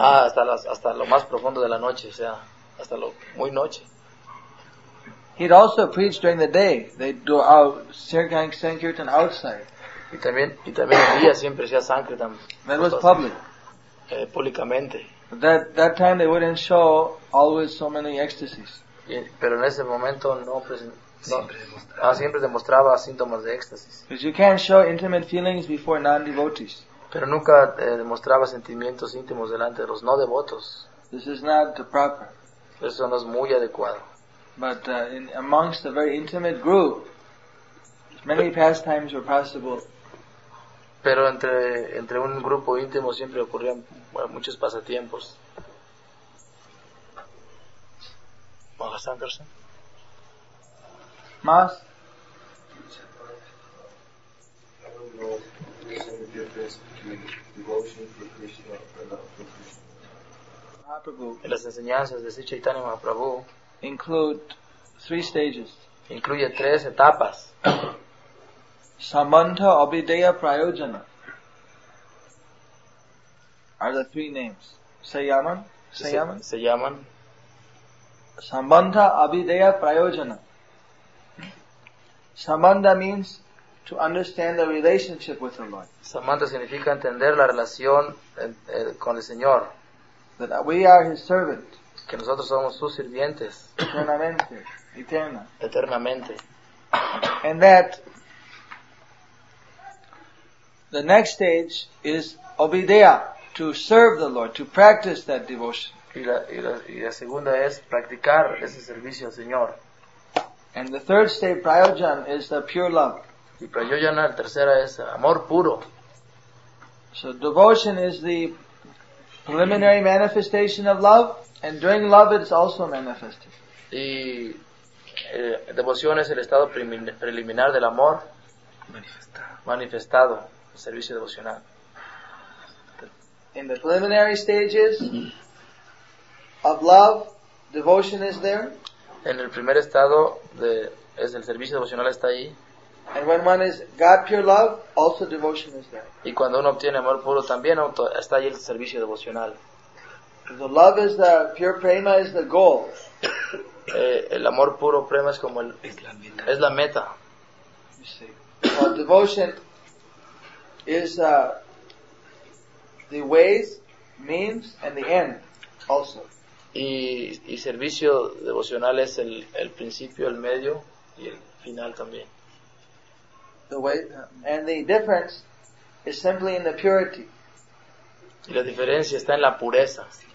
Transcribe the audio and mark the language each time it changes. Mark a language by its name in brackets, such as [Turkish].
[Spanish] Ah, hasta lo más profundo de la noche, o sea, hasta lo muy noche. [English] He'd also preach during the day. They do sankirtan outside. [Spanish] Y también el día siempre hacía sankirtan. [English] That was public. [Spanish] Públicamente. [English] That time they wouldn't show always so many ecstasies. [Spanish] Pero en ese momento no presentaba. No, siempre demostraba síntomas de éxtasis. [English] Because you can't show intimate feelings before non-devotees. [Spanish] Pero nunca demostraba sentimientos íntimos delante de los no devotos. [English] This is not the proper. [Spanish] Eso no es muy adecuado. [English] But in amongst a very intimate group, many pastimes were possible. [Spanish] Pero entre un grupo íntimo siempre ocurrían muchos pasatiempos. ¿Más Anderson? ¿Más? En las enseñanzas de Sri Chaitanya Mahaprabhu [English] include three stages. [Spanish] Incluye tres etapas. [English] Samanta, Abhideya, Prayojana are the three names. Sayaman? Sayaman? Sayaman. Samanta, Abhideya, Prayojana. Samanta means to understand the relationship with the Lord. [Spanish] Samanta significa entender la relación con el Señor. [English] That we are His servant. [Spanish] Que nosotros somos sus sirvientes. Eternamente. Eterna. Eternamente. [English] And that the next stage is Abhideya, to serve the Lord, to practice that devotion. [Spanish] Y la segunda es practicar ese servicio al Señor. [English] And the third stage, Prayojan, is the pure love. [Spanish] Y Prayojana, la tercera, es amor puro. [English] So devotion is the preliminary manifestation of love, and during love it's also manifested. [Spanish] Y devoción es el estado preliminar del amor manifestado, el servicio devocional. [English] In the preliminary stages of love, devotion is there. [Spanish] En el primer estado es el servicio devocional está ahí. [English] And when one is God pure love, also devotion is there. [Spanish] Y cuando uno obtiene amor puro también está ahí el servicio devocional. [English] The love is the pure prema is the goal. [Spanish] El amor puro prema es como es la meta. [English] You see. Devotion is the ways, means, and the end also. [Spanish] Y servicio devocional es el principio, el medio y el final también. [English] The way, and the difference is simply in the purity. [Spanish] Y la diferencia está en la pureza.